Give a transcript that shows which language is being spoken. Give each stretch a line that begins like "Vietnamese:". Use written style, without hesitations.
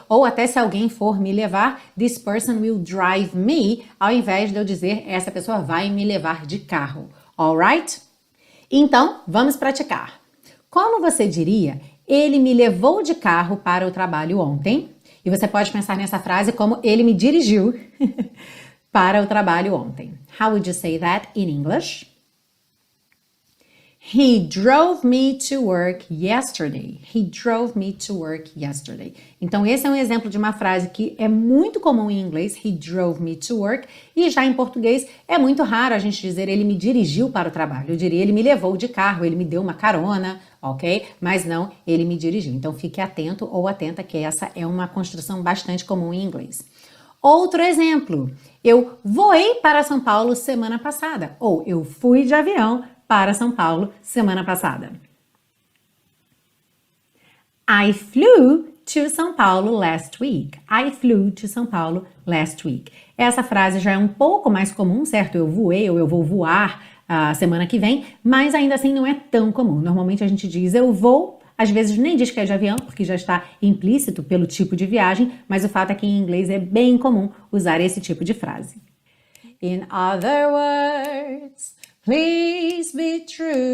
Portuguese: Ou até se alguém for me levar,
English: this person will drive me,
Portuguese: ao invés de eu dizer, essa pessoa vai me levar de carro. Alright? Então, vamos praticar. Como você diria, ele me levou de carro para o trabalho ontem? E você pode pensar nessa frase como, ele me dirigiu para o trabalho ontem.
English: How would you say that in English? He drove me to work yesterday. He drove me to work yesterday.
Portuguese: Então, esse é um exemplo de uma frase que é muito comum em inglês.
English: He drove me to work.
Portuguese: E já em português, é muito raro a gente dizer ele me dirigiu para o trabalho. Eu diria ele me levou de carro, ele me deu uma carona, ok? Mas não, ele me dirigiu. Então, fique atento ou atenta que essa é uma construção bastante comum em inglês. Outro exemplo. Eu voei para São Paulo semana passada. Ou eu fui de avião para São Paulo semana passada.
English: I flew to São Paulo last week. I flew to São Paulo last week.
Portuguese: Essa frase já é um pouco mais comum, certo? Eu voei ou eu vou voar a semana que vem, mas ainda assim não é tão comum. Normalmente a gente diz eu vou, às vezes nem diz que é de avião, porque já está implícito pelo tipo de viagem, mas o fato é que em inglês é bem comum usar esse tipo de frase.
English: In other words, please be true.